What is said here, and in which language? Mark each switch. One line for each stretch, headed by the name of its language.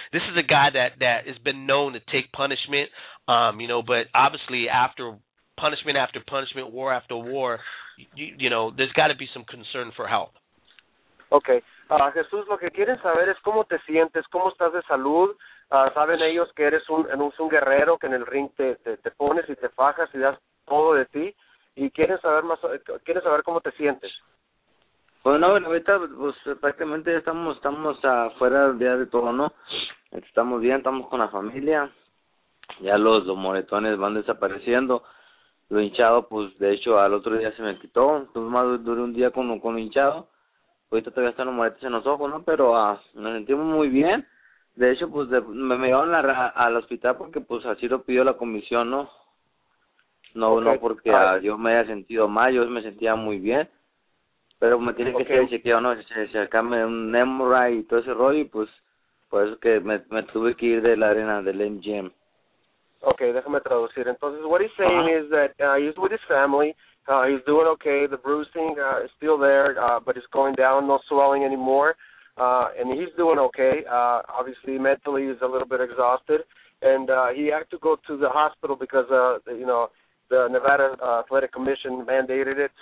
English: This is a guy that has been known to take punishment, but obviously after punishment, war after war, you know, there's got to be some concern for health. Okay.
Spanish: Jesús, lo que quieren saber es cómo te sientes, cómo estás de salud. Saben ellos que eres un guerrero, que en el ring te pones y te fajas y das todo de ti, y quieren saber cómo te sientes. Bueno, ahorita pues prácticamente estamos afuera ya de todo, ¿no? Estamos bien, estamos con la familia, ya los moretones van desapareciendo, lo hinchado pues de hecho al otro día se me quitó, más duré un día con hinchado, ahorita todavía están los moretones en los ojos, ¿no? Pero nos sentimos muy bien. De hecho, pues me llevaron al hospital porque pues así lo pidió la comisión, ¿no? No,
English: okay.
Spanish: No porque yo me haya sentido mal, yo me sentía muy bien. Pero me tiene que hacer el chequeo, ¿no? Se acabe un MRI y todo ese rollo y pues por eso que me tuve que ir de la arena del MGM. Okay, déjame traducir.
English: Entonces, what he's saying is that he's with his family. He's doing okay. The bruising is still there, but it's going down, no swelling anymore. And he's doing okay. Obviously, mentally, he's a little bit exhausted. And he had to go to the hospital because, the Nevada Athletic Commission mandated it.